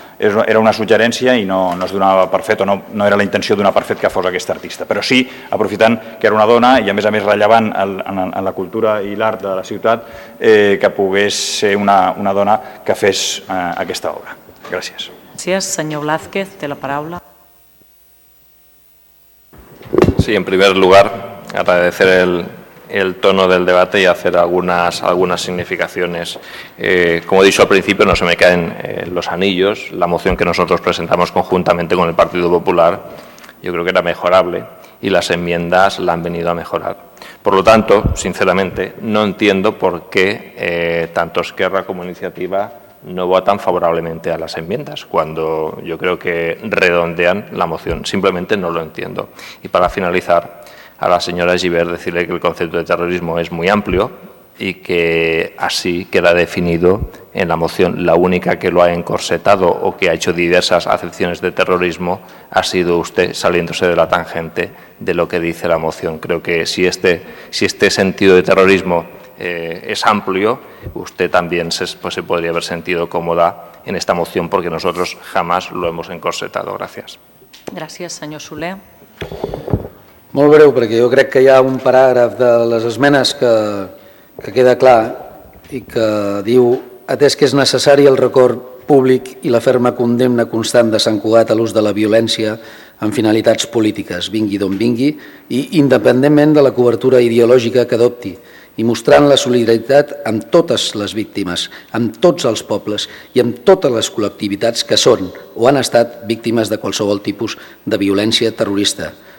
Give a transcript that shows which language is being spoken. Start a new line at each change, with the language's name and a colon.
Catalan: Era una suggerència i no es donava per fet, o no era la intenció donar per fet que fos aquesta artista. Però sí, aprofitant que era una dona i a més rellevant en la cultura i l'art de la ciutat, que pogués ser una dona que fes aquesta obra. Gràcies. Gràcies, senyor Blázquez, té la paraula.
Spanish: Sí, en primer lugar, agradecer el tono del debate y hacer algunas significaciones. Como he dicho al principio, no se me caen los anillos. La moción que nosotros presentamos conjuntamente con el Partido Popular, yo creo que era mejorable y las enmiendas la han venido a mejorar. Por lo tanto, sinceramente, no entiendo por qué tanto Esquerra como Iniciativa no votan favorablemente a las enmiendas, cuando yo creo que redondean la moción. Simplemente no lo entiendo. Y para finalizar, a la señora Gibert decirle que el concepto de terrorismo es muy amplio y que así queda definido en la moción. La única que lo ha encorsetado o que ha hecho diversas acepciones de terrorismo ha sido usted, saliéndose de la tangente de lo que dice la moción. Creo que si este sentido de terrorismo es amplio, usted también se podría haber sentido cómoda en esta moción, porque nosotros jamás lo hemos encorsetado. Gracias. Gracias, señor Soler.
Catalan: Molt breu, perquè jo crec que hi ha un paràgraf de les esmenes que queda clar i que diu: atès que és necessari el record públic i la ferma condemna constant de Sant Cugat a l'ús de la violència amb finalitats polítiques, vingui d'on vingui, i independentment de la cobertura ideològica que adopti, i mostrant la solidaritat amb totes les víctimes, amb tots els pobles i amb totes les col·lectivitats que són o han estat víctimes de qualsevol tipus de violència terrorista.